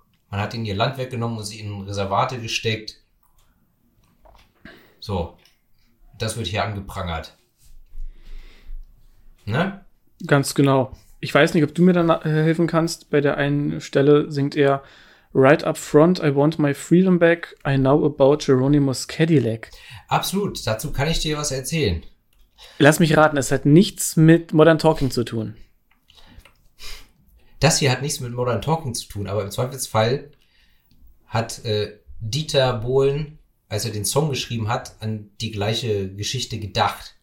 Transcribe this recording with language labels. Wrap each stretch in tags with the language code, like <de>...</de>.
<de>Man hat ihnen ihr Land weggenommen und sie in Reservate gesteckt. So. Das wird hier angeprangert. Ne? Ganz genau. Ich weiß nicht, ob du mir da helfen kannst. Bei der einen Stelle singt er</de> <en>"Right up front, I want my freedom back. I know about Geronimo's Cadillac."</en> <de>Absolut. Dazu kann ich dir was erzählen. Lass mich raten, es hat nichts mit Modern Talking zu tun. Das hier hat nichts mit Modern Talking zu tun, aber im Zweifelsfall hat Dieter Bohlen, als er den Song geschrieben hat, an die gleiche Geschichte gedacht.</de>